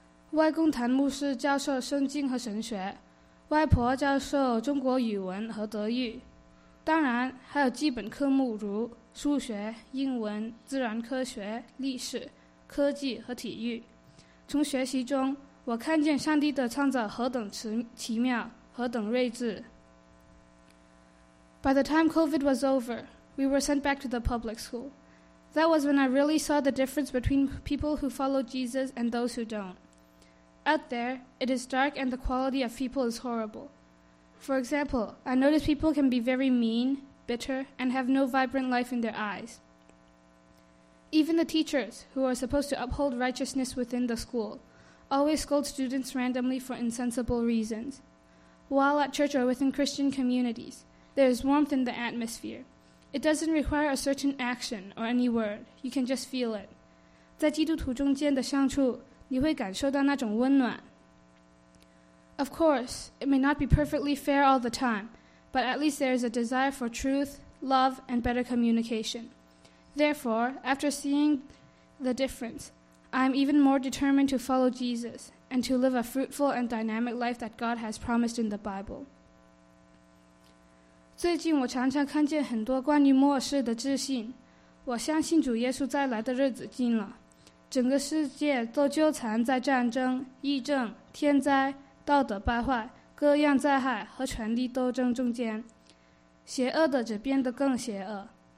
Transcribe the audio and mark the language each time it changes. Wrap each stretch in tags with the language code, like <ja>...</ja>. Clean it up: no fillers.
<zh>外公谭牧师教授圣经和神学，外婆教授中国语文和德语，当然还有基本科目如数学、英文、自然科学、历史、科技和体育。从学习中，我看见上帝的创造何等奇妙，何等睿智。</zh> <en>By the time COVID was over, we were sent back to the public school. That was when I really saw the difference between people who follow Jesus and those who don't. Out there, it is dark and the quality of people is horrible. For example, I noticed people can be very mean, bitter, and have no vibrant life in their eyes. Even the teachers, who are supposed to uphold righteousness within the school, always scold students randomly for insensible reasons. While at church or within Christian communities, there is warmth in the atmosphere. It doesn't require a certain action or any word. You can just feel it.</en> <zh>在基督徒中间的相处，你会感受到那种温暖。</zh> <en>Of course, it may not be perfectly fair all the time, but at least there is a desire for truth, love, and better communication. Therefore, after seeing the difference, I am even more determined to follow Jesus and to live a fruitful and dynamic life that God has promised in the Bible.</en> <zh>最近我常常看见很多关于末世的自信，我相信主耶稣再来的日子近了，整个世界都纠缠在战争、疫症、天灾、道德败坏、各样灾害和权力斗争中间，邪恶的只变得更邪恶。</zh>